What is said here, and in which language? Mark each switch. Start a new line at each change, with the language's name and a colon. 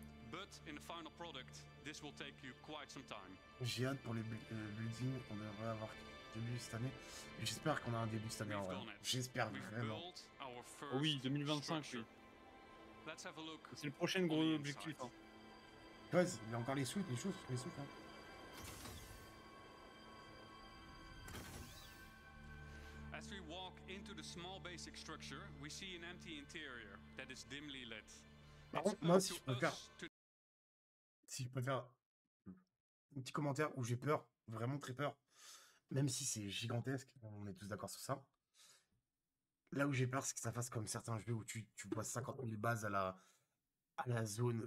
English: But in the final product, this will take you quite some time.
French: J'ai hâte pour les buildings, on devrait avoir début cette année. J'espère qu'on a un début cette année en vrai. J'espère vraiment. Oh oui, 2025, oui. C'est le prochain gros objectif. Buzz, il y a encore les souffles, hein.
English: As we walk into the small basic structure, we see an empty interior that is dimly lit.
French: Par contre, moi, si je peux faire un petit commentaire où j'ai peur, vraiment très peur, même si c'est gigantesque, on est tous d'accord sur ça. Là où j'ai peur, c'est que ça fasse comme certains jeux où tu vois 50 000 bases à la zone.